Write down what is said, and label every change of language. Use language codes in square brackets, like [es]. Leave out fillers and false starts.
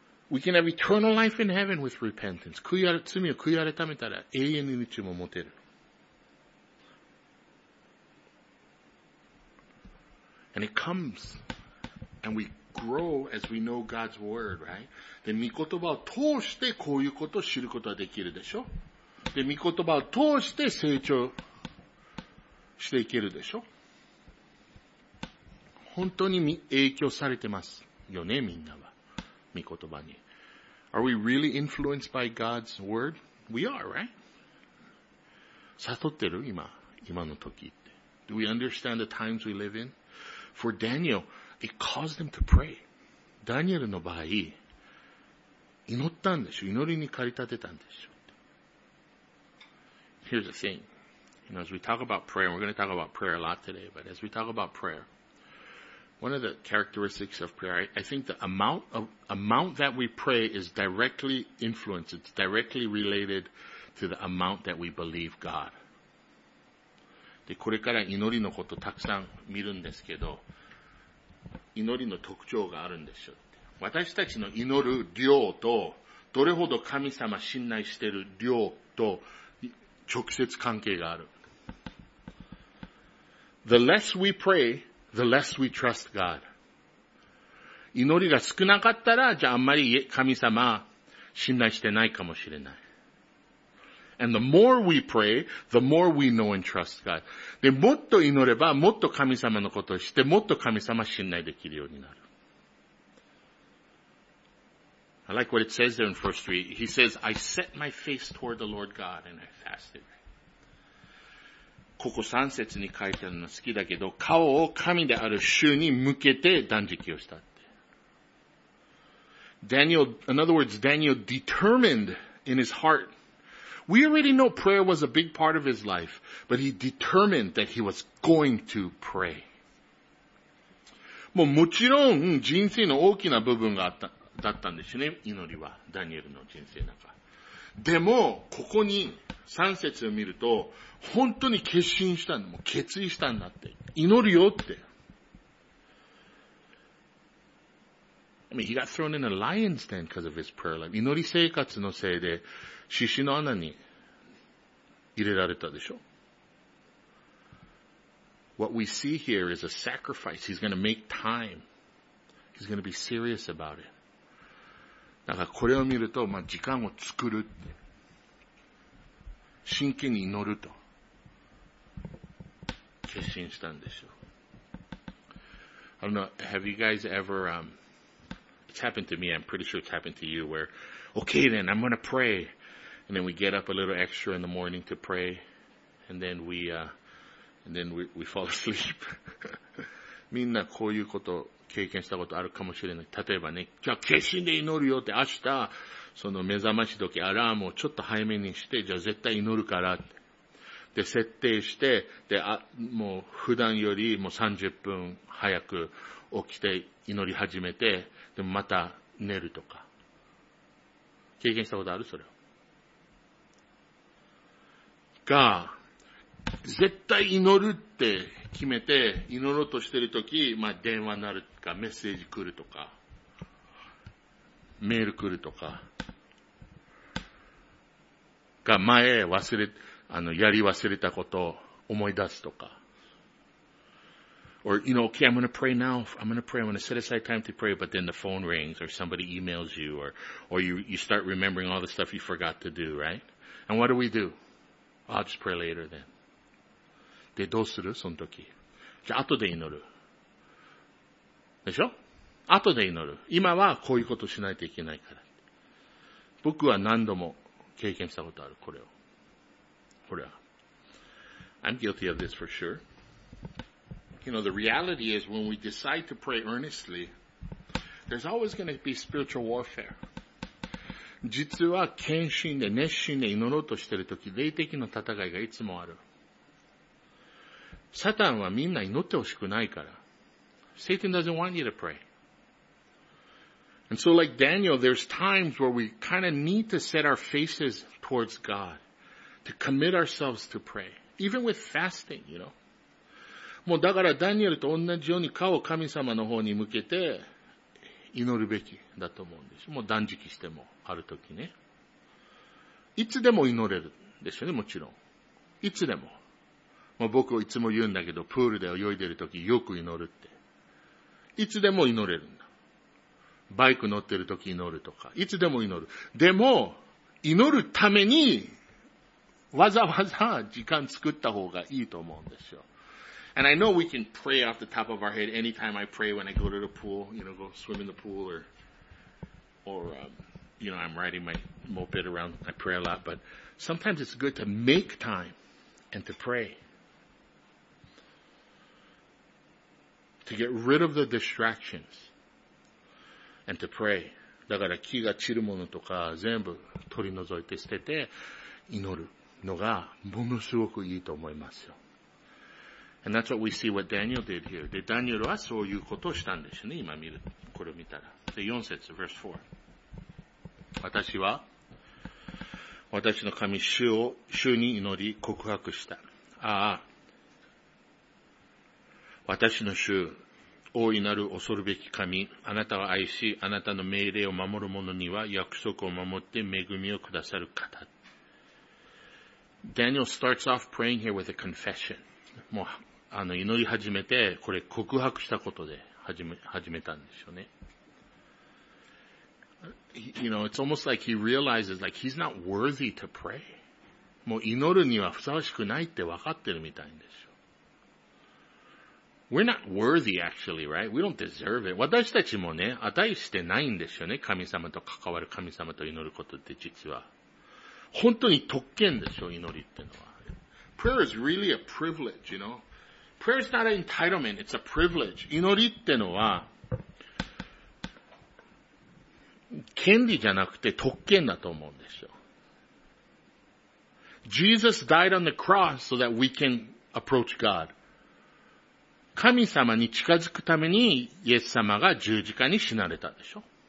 [en] We can have eternal life in heaven with repentance. [ja] 罪を悔い改めたら永遠の命も持てる。 [en] And it comes, and we grow as we know God's word, right? [ja] で、御言葉を通してこういうことを知ることはできるでしょ。で、御言葉を通して成長していけるでしょ。本当に影響されてますよね、みんなは。御言葉に。 [en] Are we really influenced by God's word? We are, right? [ja] 悟ってる？今の時って。 [en] Do we understand the times we live in? For Daniel, it caused him to pray. [ja] ダニエルの場合、祈ったんでしょ。祈りに駆り立てたんでしょ。 [en] Here's the thing. You know, as we talk about prayer, we're going to talk about prayer a lot today, but as we talk about prayer, one of the characteristics of prayer, I think the amount that we pray is directly influenced, it's directly related to the amount that we believe God. [ja] で、これから祈りのことたくさん見るんですけど、祈りの特徴があるんでしょ。私たちの祈る量と、どれほど神様信頼している量と、直接関係がある。 [en] The less we pray, the less we trust God. [ja] 祈りが少なかったら、じゃああんまり神様信頼してないかもしれない。 [en] And the more we pray, the more we know and trust God. [ja] で、もっと祈れば、もっと神様のことを知って、もっと神様信頼できるようになる。 [en] I like what it says there in verse 3. He says, I set my face toward the Lord God and I fasted. [ja] ここ3節に書いてあるのは好きだけど、顔を神である主に向けて断食をしたって。 [en] Daniel, in other words, Daniel determined in his heart. We already know prayer was a big part of his life, but he determined that he was going to pray. [ja] もうもちろん人生の大きな部分があった。だったんですね、祈りは、ダニエルの人生の中。でも、ここに3節を見ると、本当に決心したんだ、もう決意したんだって。祈るよって。 [en] I mean, he got thrown in a lion's den because of his prayer life. [ja] 祈り生活のせいで、獅子の穴に入れられたでしょ。 [en] What we see here is a sacrifice. He's going to make time. He's going to be serious about it. [ja] だからこれを見ると、まあ、時間を作るって。真剣に祈ると。決心したんでしょう。 [en] I don't know, have you guys ever, it's happened to me, I'm pretty sure it's happened to you, where, okay then, I'm gonna pray. And then we get up a little extra in the morning to pray. And then we fall asleep. [ja] みんなこういうこと、経験したことあるかもしれない。例えばね、じゃあ決心で祈るよって、明日、その目覚まし時、アラームをちょっと早めにして、じゃあ絶対祈るからって。で、設定して、で、あ、もう普段よりもう30分早く起きて祈り始めて、でもまた寝るとか。経験したことある？それが、絶対祈るって、決めて祈ろうとしてるとき、まあ、電話なるとかメッセージ来るとかメール来るとかが前忘れあのやり忘れたことを思い出すとか [en] or you know okay I'm gonna pray now I'm gonna pray I'm gonna set aside time to pray but then the phone rings or somebody emails you or you start remembering all the stuff you forgot to do right and what do? I'll just pray later then. [ja] で、どうするその時。じゃあ、後で祈る。でしょ後で祈る。今はこういうことしないといけないから。僕は何度も経験したことある、これを。これは。 [en] I'm guilty of this for sure. You know, the reality is when we decide to pray earnestly, there's always going to be spiritual warfare. [ja] 実は、献身で、熱心で祈ろうとしている時、霊的な戦いがいつもある。サタンはみんな祈ってほしくないから。 [en] Satan doesn't want you to pray. And so like Daniel, there's times where we kind of need to set our faces towards God. To commit ourselves to pray. Even with fasting, you know. [ja] もうだからダニエルと同じように顔を神様の方に向けて祈るべきだと思うんです。もう断食してもある時ね。いつでも祈れるんですよね、もちろん。いつでも。まあ、僕はいつも言うんだけど、プールで泳いでるときよく祈るって。いつでも祈れるんだ。バイク乗ってるとき祈るとか、いつでも祈る。でも、祈るために、わざわざ時間作った方がいいと思うんですよ。 [en] And I know we can pray off the top of our head anytime I pray when I go to the pool, you know, go swim in the pool or I'm riding my moped around, I pray a lot, but sometimes it's good to make time and to pray. To get rid of the distractions and to pray. [ja] だから木が散るものとか全部取り除いて捨てて祈るのがものすごくいいと思いますよ。 [en] And that's what we see what Daniel did here. [ja] で、ダニエルはそういうことをしたんですよね。今見る。これを見たら。で、4節、 [en] verse 4。 [ja] 私は、私の神主を、主に祈り告白した。ああ。私の主、大いなる恐るべき神、あなたを愛し、あなたの命令を守る者には約束を守って恵みをくださる方。 [en] Daniel starts off praying here with a confession. [ja] もう、祈り始めて、これ告白したことで始めたんですよね。 [en] You know, it's almost like he realizes like he's not worthy to pray. [ja] もう祈るにはふさわしくないって分かってるみたいんですよ。 [en] We're not worthy, actually, right? We don't deserve it. [ja] 私たちもね、値してないんですよね。神様と関わる神様と祈ることって実は。本当に特権でしょ、祈りってのは。 [en] Prayer is really a privilege, you know? Prayer is not an entitlement, it's a privilege. [ja] 祈りってのは、権利じゃなくて特権だと思うんですよ。 [en] Jesus died on the cross so that we can approach God. [ja] 神様に近づくためにイエス様が十字架に死なれたでしょ。